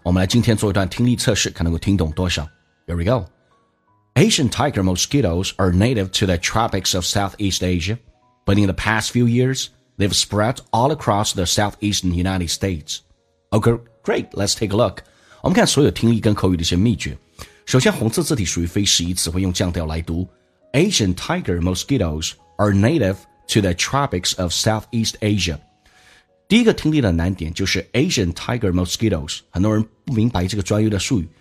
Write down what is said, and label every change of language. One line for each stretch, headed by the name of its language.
Chinese: 我们来今天做一段听力测试，看能够听懂多少。
English: Here we go. Asian tiger mosquitoes are native to the tropics of Southeast Asia, but in the past few years, they've spread all across the southeastern United States. Okay, great, let's take a look.
Chinese: 我们看所有听力跟口语的一些秘诀。首先，红色字体属于非时宜词，会用降调来读。 Asian tiger mosquitoes are native to the tropics of Southeast Asia. 第一个听力的难点就是 Asian Tiger Mosquitoes， 很多人不明白这个专业的术语。